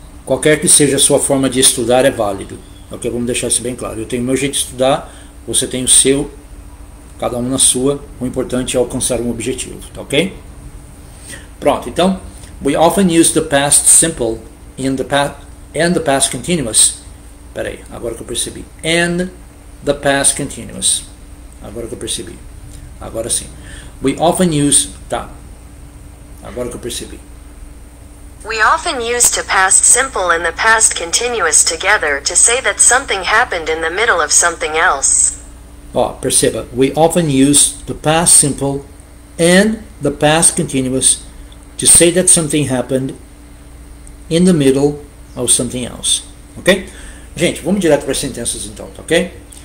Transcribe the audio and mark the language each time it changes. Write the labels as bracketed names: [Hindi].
[Portuguese] Qualquer que seja a sua forma de estudar é válido. Ok, vamos deixar isso bem claro. Eu tenho o meu jeito de estudar, você tem o seu, cada um na sua. O importante é alcançar um objetivo, tá ok? Pronto, então, [English] we often use the past simple in the past and the past continuous. [Portuguese] Peraí, agora que eu percebi. [English] And the past continuous. [Portuguese] Agora que eu percebi. Agora sim. [English] We often use... [Portuguese] Tá. Agora que eu percebi. [English] We often use the past simple and the past continuous together to say that something happened in the middle of something else. [Portuguese] Ó, perceba. [English] We often use the past simple and the past continuous to say that something happened in the middle of something else. Ok? [Portuguese] Gente, vamos direto para as sentenças então, tá ok?